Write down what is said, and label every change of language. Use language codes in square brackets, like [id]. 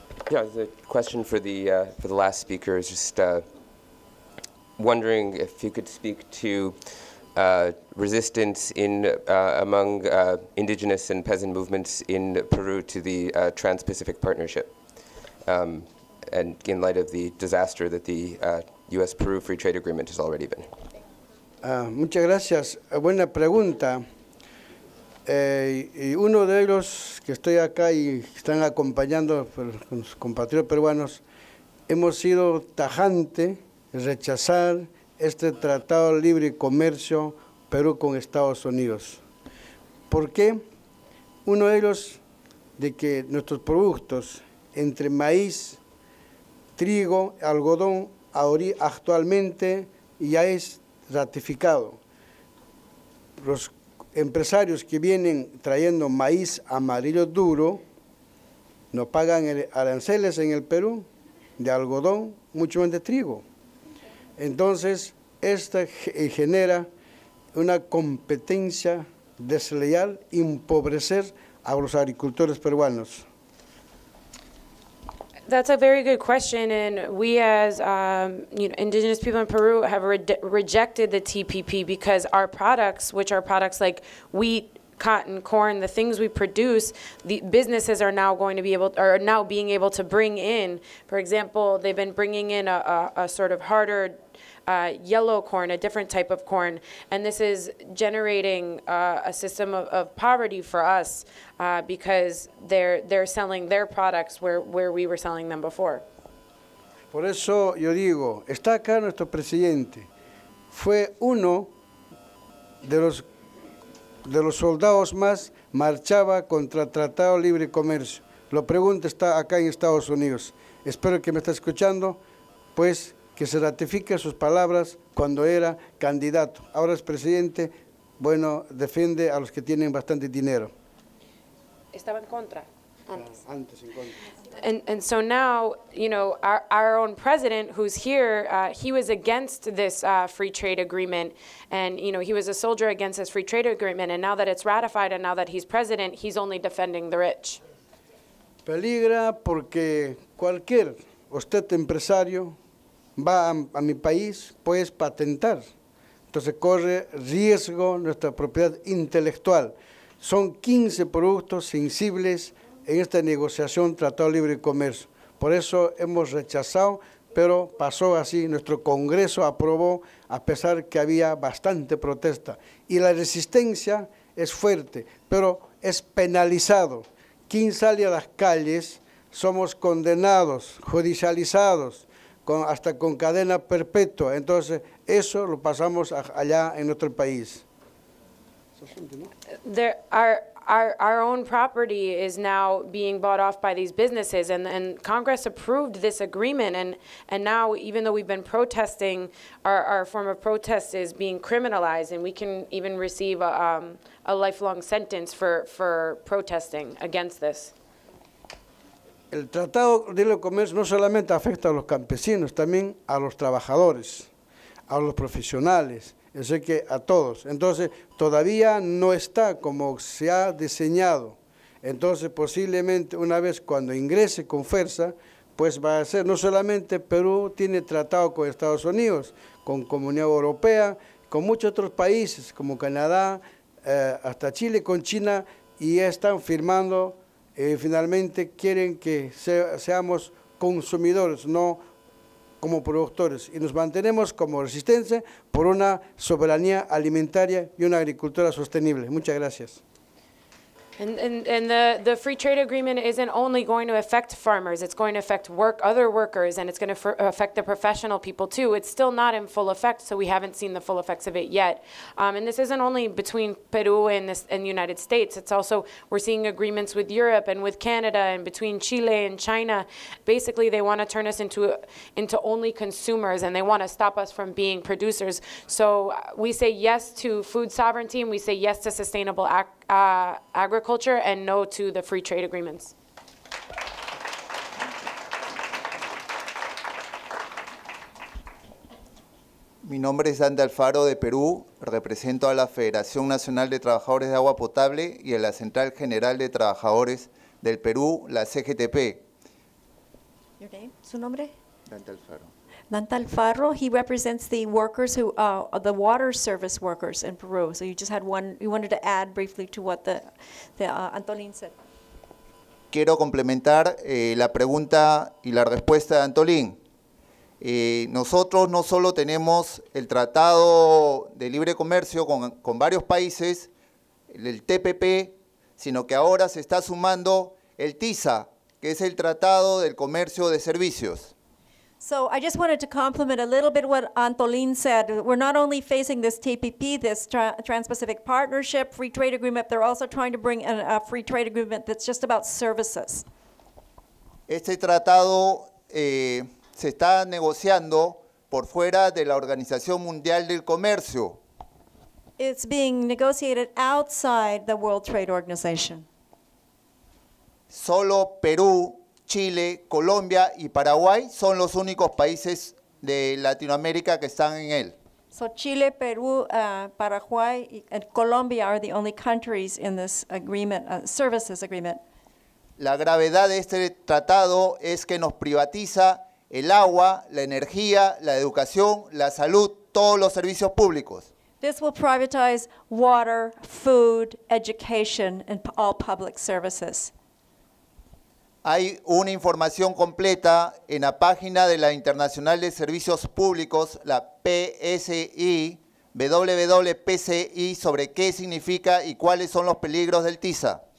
[en] Yeah, the question for the last speaker is just wondering if you could speak to resistance in among indigenous and peasant movements in Peru to the Trans-Pacific Partnership, and in light of the disaster that the U.S.-Peru Free Trade Agreement has already been. [es] Muchas gracias. Buena pregunta. Y uno de ellos que estoy acá y están acompañando con sus compatriotas peruanos, hemos sido tajante rechazar este tratado de libre comercio Perú con Estados Unidos. ¿Por qué? Uno de ellos de que nuestros productos entre maíz, trigo, algodón, actualmente ya es ratificado. Los empresarios que vienen trayendo maíz amarillo duro no pagan aranceles en el Perú de algodón, mucho menos de trigo. Entonces, esto genera una competencia desleal, empobrecer a los agricultores peruanos. [en] That's a very good question, and we as you know, indigenous people in Peru have rejected the TPP because our products, which are products like wheat, cotton, corn, the things we produce, the businesses are now going to be able, are now being able to bring in. For example, they've been bringing in a sort of harder yellow corn, a different type of corn, and this is generating a system of poverty for us because they're selling their products where we were selling them before. [es] Por eso yo digo, está acá nuestro presidente. Fue uno de los soldados más marchaba contra el Tratado Libre Comercio. Lo pregunto, está acá en Estados Unidos. Espero que me está escuchando, pues que se ratifique sus palabras cuando era candidato. Ahora es presidente, bueno, defiende a los que tienen bastante dinero. Estaba en contra. Antes en contra. [en] And so now, you know, our own president who's here, he was against this free trade agreement. And, you know, he was a soldier against this free trade agreement. And now that it's ratified and now that he's president, he's only defending the rich. [es] Peligra porque cualquier usted empresario va a mi país, puedes patentar. Entonces corre riesgo nuestra propiedad intelectual. Son 15 productos sensibles en esta negociación Tratado de Libre Comercio. Por eso hemos rechazado, pero pasó así. Nuestro Congreso aprobó a pesar que había bastante protesta. Y la resistencia es fuerte, pero es penalizado. quien sale a las calles somos condenados, judicializados, con, hasta con cadena perpetua. Entonces, eso lo pasamos allá en nuestro país. [en] Our own property is now being bought off by these businesses, and Congress approved this agreement, and now, even though we've been protesting, our form of protest is being criminalized, and we can even receive a lifelong sentence for protesting against this. [es] El Tratado de Libre Comercio no solamente afecta a los campesinos, también a los trabajadores, a los profesionales. Es que a todos. Entonces, todavía no está como se ha diseñado. Entonces, posiblemente una vez cuando ingrese con fuerza, pues va a ser, no solamente Perú tiene tratado con Estados Unidos, con Comunidad Europea, con muchos otros países como Canadá, hasta Chile, con China, y ya están firmando, finalmente quieren que seamos consumidores, no como productores, y nos mantenemos como resistencia por una soberanía alimentaria y una agricultura sostenible. Muchas gracias. [en] And the free trade agreement isn't only going to affect farmers, it's going to affect other workers, and it's going to affect the professional people too. It's still not in full effect, so we haven't seen the full effects of it yet. And this isn't only between Peru and the United States, it's also, we're seeing agreements with Europe and with Canada and between Chile and China. Basically, they want to turn us into only consumers, and they want to stop us from being producers. So we say yes to food sovereignty, and we say yes to sustainable agriculture, and no to the free trade agreements. [es] Mi nombre es Dante Alfaro, de Perú. Represento a la Federación Nacional de Trabajadores de Agua Potable y a la Central General de Trabajadores del Perú, la CGTP. [en] Your name? [es] Su nombre? Dante Alfaro. [en] Dante Alfaro, he represents the workers who the water service workers in Peru. So you just had one, you wanted to add briefly to what the Antolin said. [es] Quiero complementar la pregunta y la respuesta de Antolin. Nosotros no solo tenemos el Tratado de Libre Comercio con varios países, el TPP, sino que ahora se está sumando el TISA, que es el Tratado del Comercio de Servicios. [en] So I just wanted to compliment a little bit what Antolin said. We're not only facing this TPP, this Trans-Pacific Partnership, free trade agreement, they're also trying to bring a free trade agreement that's just about services. [es] Este tratado se está negociando por fuera de la Organización Mundial del Comercio. [en] It's being negotiated outside the World Trade Organization. [es] Solo Perú, Chile, Colombia y Paraguay son los únicos países de Latinoamérica que están en él. [en] So Chile, Perú, Paraguay and Colombia are the only countries in this agreement, services agreement. [es] La gravedad de este tratado es que nos privatiza el agua, la energía, la educación, la salud, todos los servicios públicos. [en] This will privatize water, food, education and all public services. [es] Hay una información completa en la página de la Internacional de Servicios Públicos, la PSI, WWPCI, sobre qué significa y cuáles son los peligros del TISA.